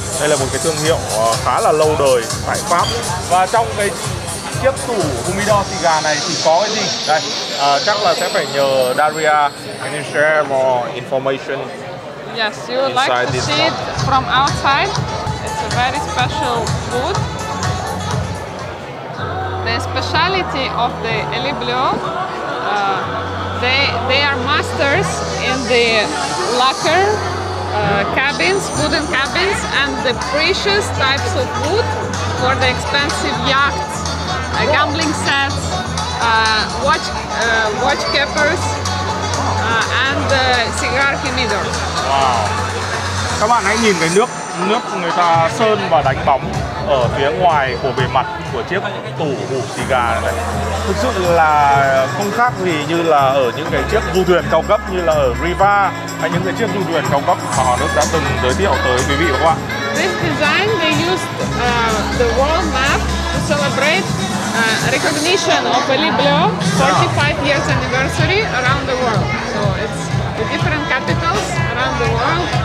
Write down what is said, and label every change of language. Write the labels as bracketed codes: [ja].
[vi] Đây là một cái thương hiệu khá là lâu đời tại Pháp. Và trong cái chiếc tủ humidor xì gà này thì có cái gì? Đây, chắc là sẽ phải nhờ Daria, [en] can you share more information? Yes, you would like to see it from outside. It's a very special food. The specialty of the Elie Bleu, they are masters in the lacquer cabins, wooden cabins, and the precious types of wood for the expensive yachts, gambling sets, watch keepers, and cigar humidors. Wow! [vi] Các bạn hãy nhìn cái nước người ta sơn và đánh bóng ở phía ngoài của bề mặt của chiếc tủ hủ xì gà này. Thực sự là không khác gì như là ở những cái chiếc du thuyền cao cấp như là ở Riva hay những cái chiếc du thuyền cao cấp mà họ Đức đã từng giới thiệu tới quý vị, đúng không ạ? [en] This design, they used the world map to celebrate recognition of Elie Bleu 45 years anniversary around the world. So it's the different capitals around the world.